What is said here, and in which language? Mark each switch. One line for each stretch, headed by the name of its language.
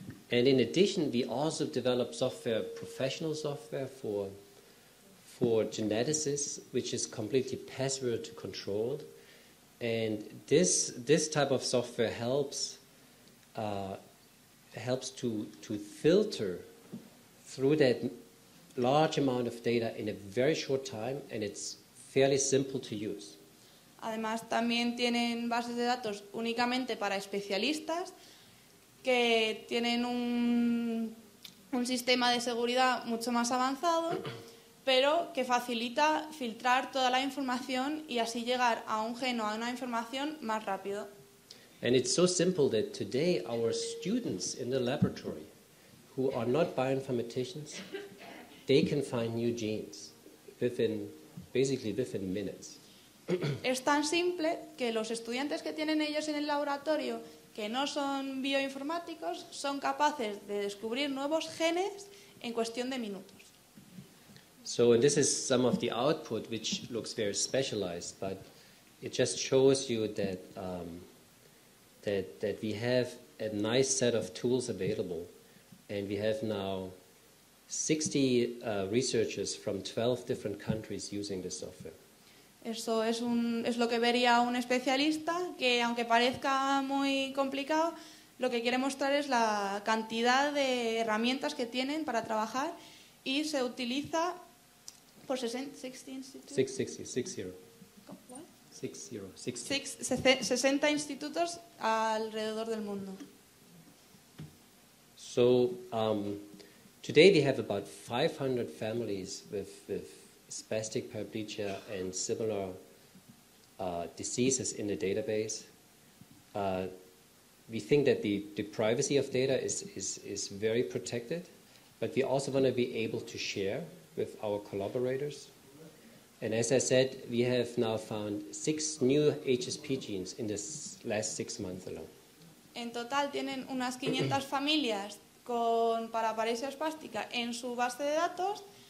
English: And in addition, we also develop software, professional software for geneticists, which is completely password controlled. And this type of software helps to filter through that large amount of data in a very short time, and it's fairly simple to use.
Spanish: Además, también tienen bases de datos únicamente para especialistas que tienen un sistema de seguridad mucho más avanzado, pero que facilita filtrar toda la información y así llegar a un gen o a una información más rápido.
English: And it's so simple that today our students in the laboratory who are not bioinformaticians, they can find new genes within minutes.
Spanish: Es tan simple que los estudiantes que tienen ellos en el laboratorio, que no son bioinformáticos, son capaces de descubrir nuevos genes en cuestión de minutos.
English: So, and this is some of the output which looks very specialized, but it just shows you that that we have a nice set of tools available, and we have now 60 researchers from 12 different countries using this software.
Spanish: Eso es lo que vería un especialista, que aunque parezca muy complicado, lo que quiere mostrar es la cantidad de herramientas que tienen para trabajar y se utiliza por 60 institutos alrededor del mundo.
English: So, today we have about 500 families with spastic paraplegia and similar diseases in the database. We think that the privacy of data is very protected, but we also want to be able to share with our collaborators. And as I said, we have now found 6 new HSP genes in the last 6 months alone.
Spanish: En total tienen unas 500 familias con paraparesia espástica en su base de datos.